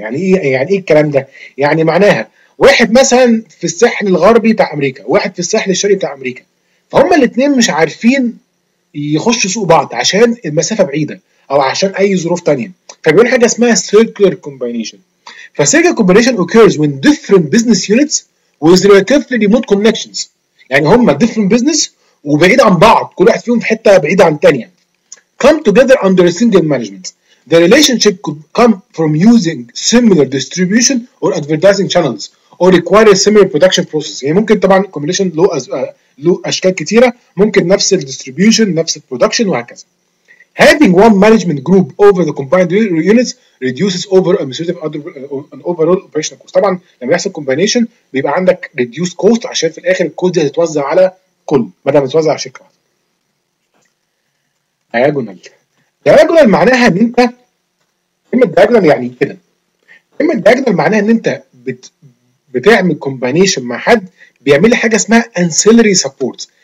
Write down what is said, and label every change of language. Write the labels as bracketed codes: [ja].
[ar] يعني ايه الكلام ده؟ يعني معناها واحد مثلا في الساحل الغربي بتاع امريكا، واحد في الساحل الشرقي بتاع امريكا، فهم الاثنين مش عارفين يخشوا سوق بعض عشان المسافه بعيده او عشان اي ظروف تانية. فبيقول حاجه اسمها [en] Circular combination. فسيركلر combination occurs when different business units with relatively remote connections. [ar] يعني هم ديفرنت بزنس وبعيد عن بعض، كل واحد فيهم في حته بعيده عن الثانيه. [en] Come together under single management. The relationship could come from using similar distribution or advertising channels or require similar production process. [ar] يعني ممكن طبعا combination له أشكال كتيرة، ممكن نفس ال distribution نفس ال production وهكذا. [en] Having one management group over the combined units reduces over administrative and overall operational cost. [ar] طبعا لما يحصل combination بيبقى عندك reduced cost عشان في الآخر ال cost دي هتتوزع على كل بدل ما تتوزع على شركة واحدة. Diagonal. دياجونال معناها ان انت كلمه دياجونال يعني كده. كلمه دياجونال معناها ان انت بتعمل كومباينيشن مع حد بيعمل لي حاجه اسمها انسيلري سبورت.